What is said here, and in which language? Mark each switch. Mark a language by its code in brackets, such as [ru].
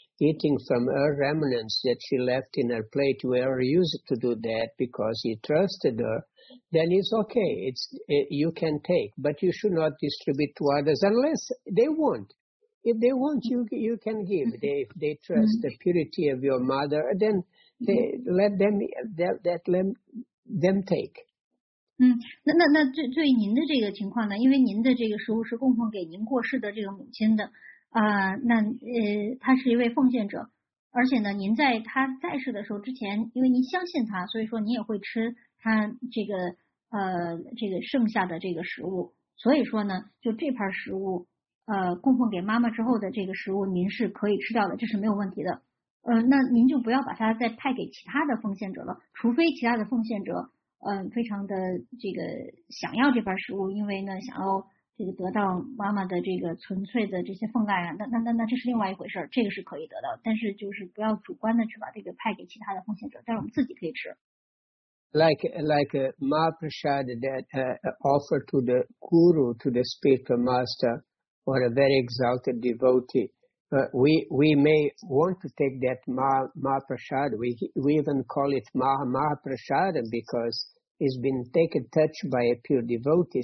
[en] Eating from her remnants that she left in her plate, we are used to do that because he trusted her, then it's okay. You can take, but you should not distribute to others unless they want. If they want, you can give. If they trust the purity of your mother, then let them take. [zh] 那对您的这个情况呢？因为您的这个食物是供奉给您过世的这个母亲的。他是一位奉献者，而且呢，您在他在世的时候之前，因为您相信他，所以说您也会吃他这个剩下的这个食物，所以说呢，就这盘食物，供奉给妈妈之后的这个食物，您是可以吃掉的，这是没有问题的。那您就不要把它再派给其他的奉献者了，除非其他的奉献者，非常的这个想要这盘食物，因为呢，想要。这个得到妈妈的这个纯粹的这些奉爱啊，那这是另外一回事，这个是可以得到，但是就是不要主观的去把这个派给其他的奉献者，但是我们自己可以吃。 [en] like Mahaprasad that offered to the guru, to the spiritual master, or a very exalted devotee. We may want to take that Mahaprasad. We even call it Mahaprasad because it's been taken touch by a pure devotee.